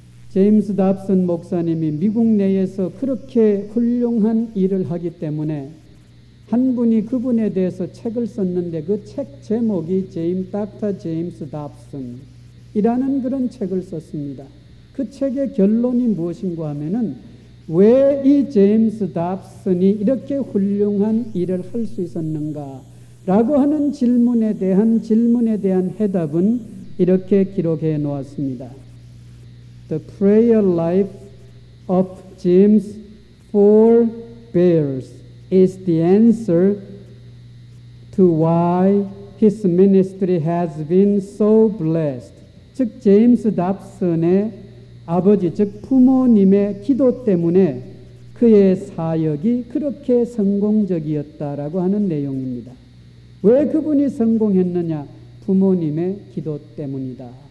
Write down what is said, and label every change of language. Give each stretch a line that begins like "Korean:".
Korean: 제임스 답슨 목사님이 미국 내에서 그렇게 훌륭한 일을 하기 때문에 한 분이 그분에 대해서 책을 썼는데 그 책 제목이 닥터 제임스 답슨이라는 그런 책을 썼습니다. 그 책의 결론이 무엇인가 하면은 왜 이 제임스 답슨이 이렇게 훌륭한 일을 할 수 있었는가 라고 하는 질문에 대한 해답은 이렇게 기록해 놓았습니다.
English: The prayer life of James forebears is the answer to why his ministry has been so blessed.
Korean: 즉 제임스 답슨의 아버지 즉 부모님의 기도 때문에 그의 사역이 그렇게 성공적이었다라고 하는 내용입니다. 왜 그분이 성공했느냐? 부모님의 기도 때문이다.